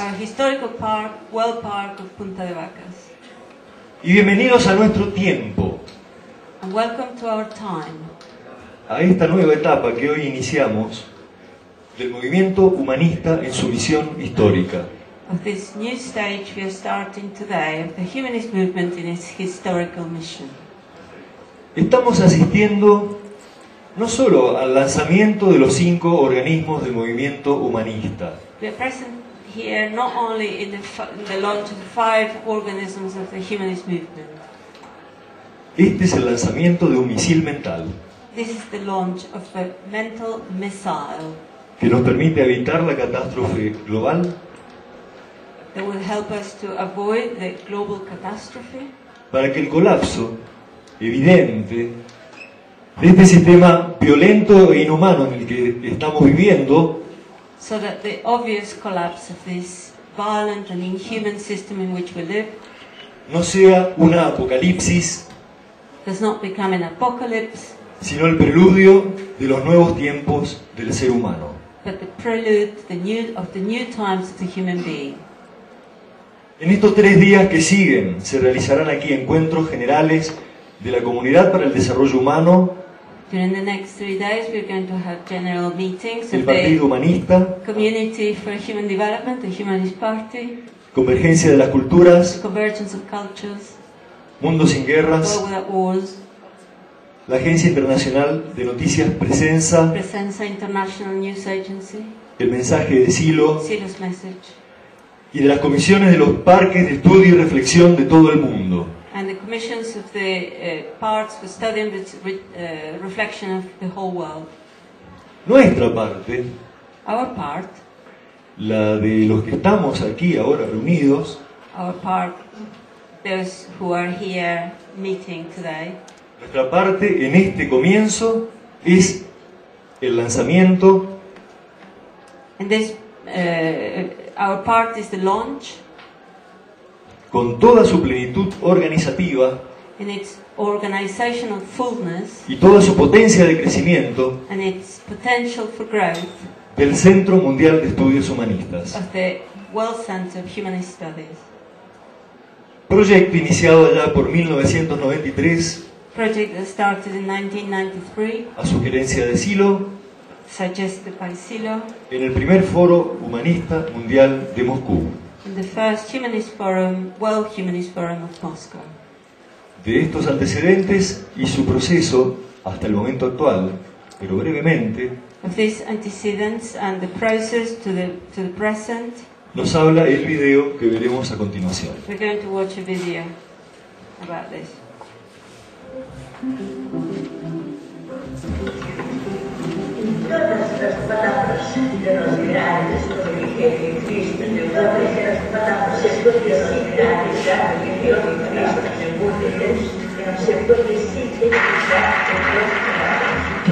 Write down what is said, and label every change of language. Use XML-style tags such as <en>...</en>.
<en>Our historical park, World Park of Punta de Vacas.</en> <es>Y bienvenidos a nuestro tiempo.</es> <en>And welcome to our time.</en> <es>A esta nueva etapa que hoy iniciamos del movimiento humanista en su misión histórica.</es> <en>Of this new stage we are starting today of the humanist movement in its historical mission.</en> <es>Estamos asistiendo no solo al lanzamiento de los 5 organismos del movimiento humanista.</es> <en>We are present here not only in the launch of the 5 organisms of the humanist movement.</en> <es>Este es el lanzamiento de un misil mental.</es> <en>This is the launch of the mental missile.</en> <es>Que nos permite evitar la catástrofe global.</es> <en>That will help us to avoid the global catastrophe.</en> <es>Para que el colapso evidente de este sistema violento e inhumano en el que estamos viviendo,</es> <en>so that the obvious collapse of this violent and inhuman system in which we live,</en> <es>no sea una apocalipsis,</es> <en>does not become an apocalypse,</en> <es>sino el preludio de los nuevos tiempos del ser humano.</es> <en>But the prelude of the new times of the human being.</en> <es>En estos 3 días que siguen se realizarán aquí encuentros generales de la comunidad para el desarrollo humano.</es> <en>During the next 3 days we're going to have general meetings of the Partido Humanista, Community for Human Development, the Humanist Party,</en> <es>Convergencia de las Culturas,</es> <en>Convergence of Cultures,</en> <es>Mundo Sin Guerras,</es> <en>World Without Wars,</en> <es>la Agencia Internacional de Noticias Presenza,</es> <en>Presenza International News Agency,</en> <es>el mensaje de Silo,</es> <en>Silo's message,</en> <es>y de las comisiones de los parques de estudio y reflexión de todo el mundo.</es> <en>And the commissions of the parks for study and reflection of the whole world.</en> <es>Nuestra parte,</es> <en>our part,</en> <es>la de los que estamos aquí ahora reunidos,</es> <en>our part, those who are here meeting today.</en> <es>Nuestra parte en este comienzo es el lanzamiento.</es> <en>And this, our part is the launch.</en> <es>Con toda su plenitud organizativa.</es> <en>In its organizational fullness.</en> <es>Y toda su potencia de crecimiento.</es> <en>And its potential for growth.</en> <es>Del Centro Mundial de Estudios Humanistas.</es> <en>Of the World Center of Humanist Studies.</en> <es>Proyecto iniciado allá por 1993.</es> <en>Project that started in 1993,</en> <es>a sugerencia de Silo,</es> <en>suggested by Silo,</en> <es>en el primer foro humanista mundial de Moscú,</es> <en>in the first humanist forum, World Humanist Forum of Moscow.</en> <es>De estos antecedentes y su proceso hasta el momento actual, pero brevemente,</es> <en>of these antecedents and the process to the present,</en> <es>nos habla el video que veremos a continuación.</es> <en>We're going to watch a video about this.</en> <es>En todas las palabras de los grandes origen de Cristo, en todas las palabras se puede citar esa religión de Cristo, según ellos, se puede citar esa religión.</es>